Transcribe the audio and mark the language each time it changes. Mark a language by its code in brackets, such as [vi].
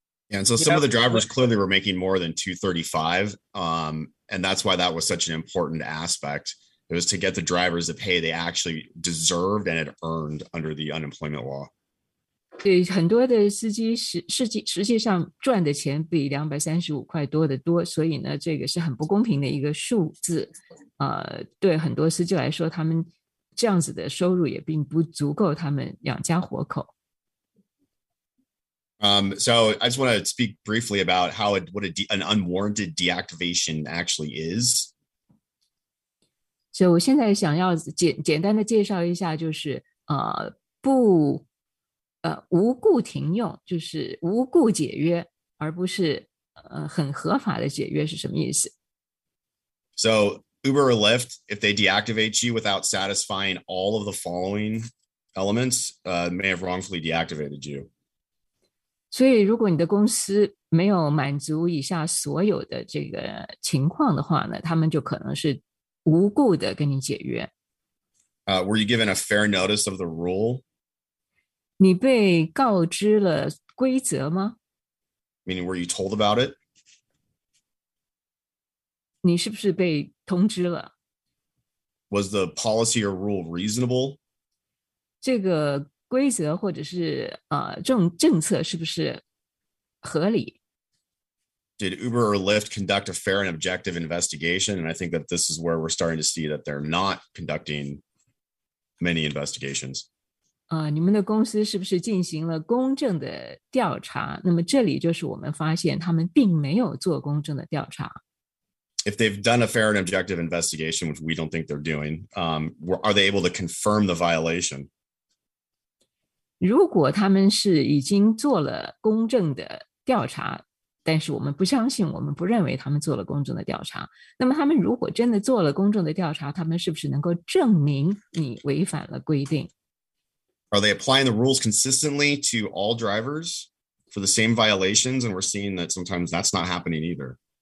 [en] Yeah, and so some of the drivers clearly were making more than $235, and that's why that was such an important aspect. It was to get the drivers the pay they actually deserved and had earned under the unemployment law. [zh] 对，很多的司机实际上赚的钱比$235块多得多，所以呢，这个是很不公平的一个数字。对很多司机来说，他们这样子的收入也并不足够他们养家活口。 [en] So I just want to speak briefly about what an unwarranted deactivation actually is. [zh] So 我现在想要简单的介绍一下，就是无故停用，就是无故解约，而不是很合法的解约是什么意思。 [en] So Uber or Lyft, if they deactivate you without satisfying all of the following elements, may have wrongfully deactivated you. [zh] 所以如果你的公司没有满足以下所有的这个情况的话呢，他们就可能是无故的跟你解约。 [en] Were you given a fair notice of the rule? [zh] 你被告知了规则吗？ [en] Meaning, were you told about it? [zh] 你是不是被通知了？ [en] Was the policy or rule reasonable? [zh] 这个规则或者是政策是不是合理？ [en] did Uber or Lyft conduct a fair and objective investigation? And I think that this is where we're starting to see that they're not conducting many investigations. [zh] 你们的公司是不是进行了公正的调查? 那么这里就是我们发现他们并没有做公正的调查。 [en] If they've done a fair and objective investigation, which we don't think they're doing, are they able to confirm the violation? [zh] 如果他们是已经做了公正的调查, 但是我们不相信,我们不认为他们做了公正的调查, 那么他们如果真的做了公正的调查, 他们是不是能够证明你违反了规定? [en] Are they applying the rules consistently to all drivers for the same violations? And we're seeing that sometimes that's not happening either.